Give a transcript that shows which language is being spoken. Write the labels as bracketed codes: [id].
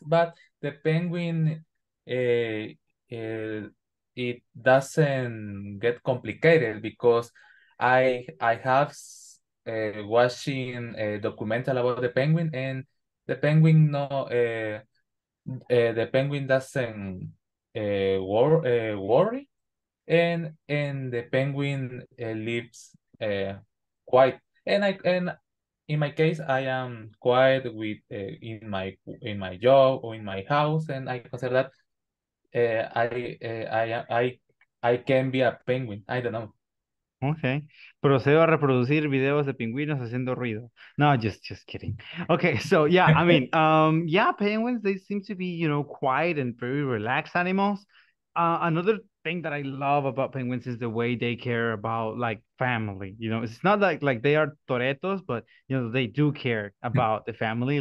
[en] But the penguin, it doesn't get complicated because I have watching a documentary about the penguin, and the penguin the penguin doesn't worry, and the penguin lives quite. And in my case, I am quiet with in my job or in my house, and I consider that I can be a penguin. I don't know. [es] Okay, procedo a reproducir videos de pingüinos haciendo ruido. [en] No, just kidding. Okay, so yeah, I mean, yeah, penguins, they seem to be, you know, quiet and very relaxed animals. Another thing that I love about penguins is the way they care about, like, family. You know, it's not like they are toretos, but, you know, they do care about the family.